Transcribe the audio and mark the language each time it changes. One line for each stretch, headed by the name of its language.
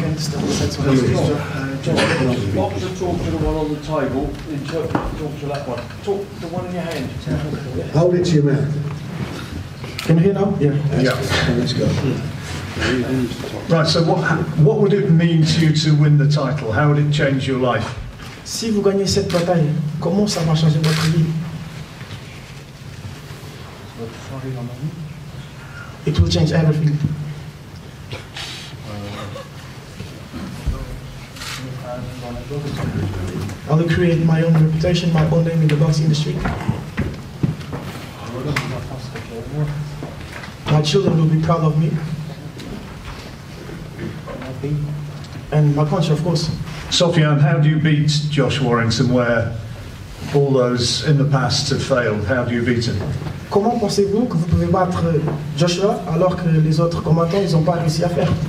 English: Boxer, talk to the one on the table. Talk to that one. Talk to the one in your hand. Hold it to your mouth. Can you hear now? Yeah. Let's go. Right. So, what would it mean to you to win the title? How would it change your life?
French: Si vous gagnez cette bataille, comment ça va changer votre vie?
English: It will change everything. I will create my own reputation, my own name in the box industry. My children will be proud of me. And my coach, of course. Sofiane, how do you beat Josh Warrington where all those in the past have failed? How do you beat him?
French: Comment pensez-vous que vous pouvez battre Joshua alors que les autres combattants ils n'ont pas réussi à faire?